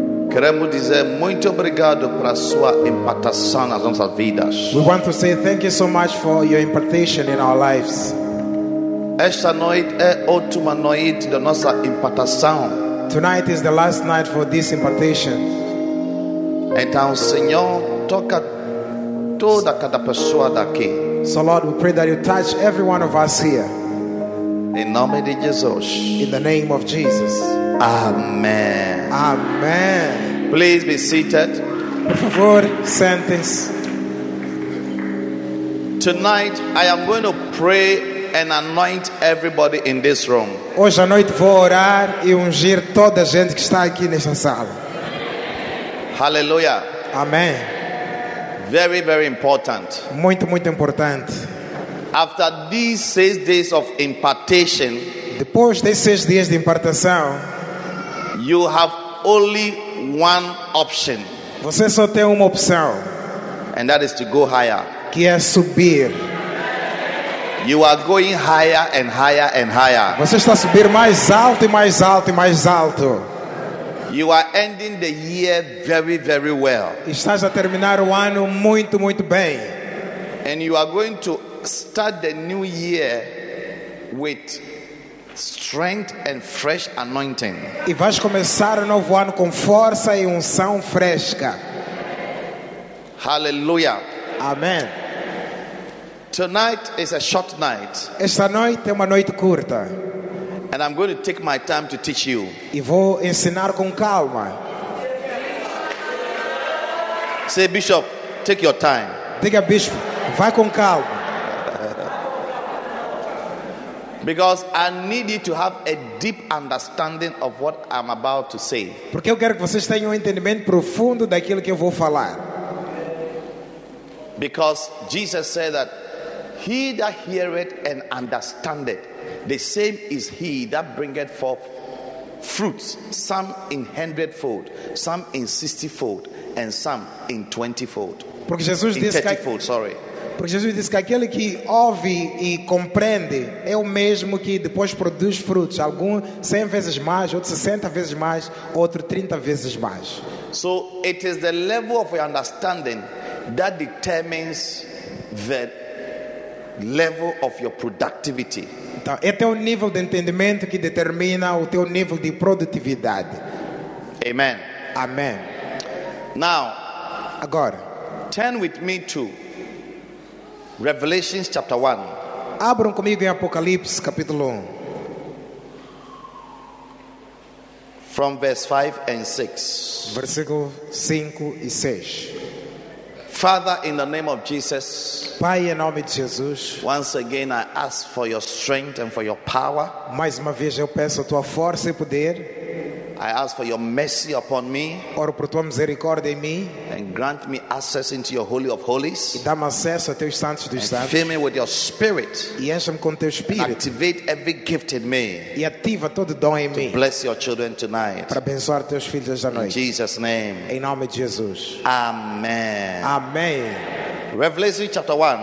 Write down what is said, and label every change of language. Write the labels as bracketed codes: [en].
[pt] Queremos dizer muito obrigado para sua impartação nas nossas vidas. [en] We want to say thank you so much for your impartation in our lives. [pt] Esta noite é a última noite da nossa impartação. [en] Tonight is the last night for this impartation. [pt] Então, Senhor, toca toda cada pessoa daqui. [en] So Lord, we pray that you touch every one of us here. [pt] Em nome de Jesus. [en] In the name of Jesus. Amen. [pt] Amen. [en] Please be seated. [pt] Por favor, sentem-se. [en] Tonight I am going to pray and anoint everybody in this room. [pt] Hoje à noite vou orar e ungir toda a gente que está aqui nesta sala. [en] Hallelujah. [pt] Amen. [en] Very, very important. [pt] Muito, muito importante. [en] After these 6 days of impartation, [pt] depois de 6 dias de impartação, [en] you have only one option. [pt] Você só tem uma opção. [en] And that is to go higher. [pt] Que é subir. [en] You are going higher and higher and higher. [pt] Você está a subir mais alto e mais alto e mais alto. [en] You are ending the year very, very well. [pt] Estás a terminar o ano muito, muito bem. [en] And you are going to start the new year with strength and fresh anointing. [pt] E vais começar o novo ano com força e unção fresca. [en] Hallelujah. [pt] Amen. [en] Tonight is a short night. [pt] Esta noite é uma noite curta. [en] And I'm going to take my time to teach you. [pt] E vou ensinar com calma. [en] Say, Bishop, take your time. [pt] Diga, Bispo, vai com calma. [en] Because I need you to have a deep understanding of what I'm about to say. [pt] Porque eu quero que vocês tenham entendimento profundo daquilo que eu vou falar. [en] Because Jesus said that he that heareth and understandeth, the same is he that bringeth forth fruits, some in hundredfold, some in sixtyfold, and some in twentyfold. [pt] Porque Jesus disse que Porque Jesus disse que aquele que ouve e compreende é o mesmo que depois produz frutos, alguns 100 vezes mais, outros 60 vezes mais, outro 30 vezes mais. [en] So it is the level of your understanding that determines the level of your productivity. [pt] Então, é teu nível de entendimento que determina o teu nível de produtividade. [en] Amen. [pt] Amen. [en] Now, [pt] agora, [en] turn with me to Revelation chapter 1. [pt] Abram comigo em Apocalipse capítulo 1. [en] From verse 5 and 6. [pt] Versículo 5 e 6. [en] Father, in the name of Jesus. [pt] Pai, em nome de Jesus. [en] Once again I ask for your strength and for your power. [pt] Mais uma vez eu peço a tua força e poder. [en] I ask for your mercy upon me. [pt] Oro por tua misericórdia em mim. [en] And grant me access into your holy of holies. [pt] E dá-me acesso a teus santos dos santos. [en] And fill me with your spirit. [pt] E encha-me com teu espírito. [en] Activate every gift in me. [pt] E ativa todo dom em mim. [en] To bless your children tonight. [pt] Para abençoar teus filhos esta noite. [en] In Jesus name. [pt] Em nome de Jesus. [en] Amen. [pt] Amém. [en] Revelation chapter 1.